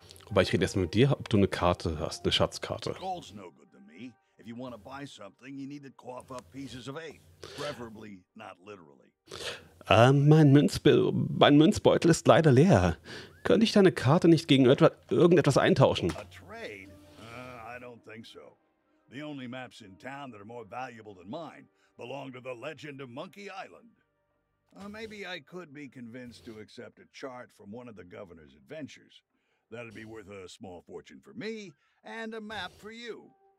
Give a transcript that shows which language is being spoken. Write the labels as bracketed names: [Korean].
[German] Aber ich rede erstmal mit dir, ob du eine Karte hast, eine Schatzkarte. [English] Gold's no good to me. If you want to buy something, you need to cough up pieces of eight. Preferably not literally. [German] Mein Münzbeutel ist leider leer. Könnte ich deine Karte nicht gegen irgendetwas eintauschen? [English] A trade? I don't think so. The only maps in town that are more valuable than mine belong to the legend of Monkey Island. Maybe I could be convinced to accept a chart from one of the governor's adventures. That'd be worth a small fortune for me, and a map for you.